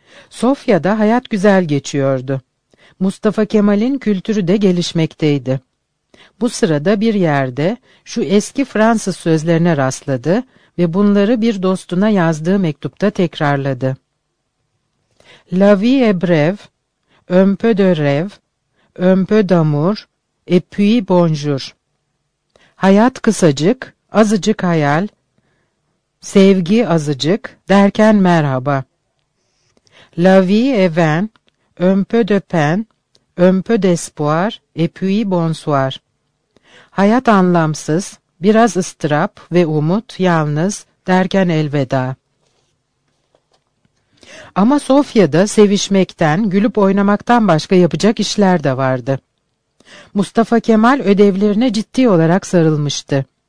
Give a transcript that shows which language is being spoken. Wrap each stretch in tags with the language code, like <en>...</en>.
<tr>Sofya'da hayat güzel geçiyordu. Mustafa Kemal'in kültürü de gelişmekteydi. Bu sırada bir yerde şu eski Fransız sözlerine rastladı ve bunları bir dostuna yazdığı mektupta tekrarladı.</tr> <fr>La vie est brève, un peu de rêve, un peu d'amour, et puis bonjour.</fr> <tr>Hayat kısacık, azıcık hayal, sevgi azıcık, derken merhaba.</tr> <fr>La vie est vain, un peu de peine, un peu d'espoir, et puis bonsoir.</fr> <tr>Hayat anlamsız, biraz ıstırap ve umut, yalnız, derken elveda. Ama Sofya'da sevişmekten, gülüp oynamaktan başka yapacak işler de vardı. Mustafa Kemal ödevlerine ciddi olarak sarılmıştı.</tr>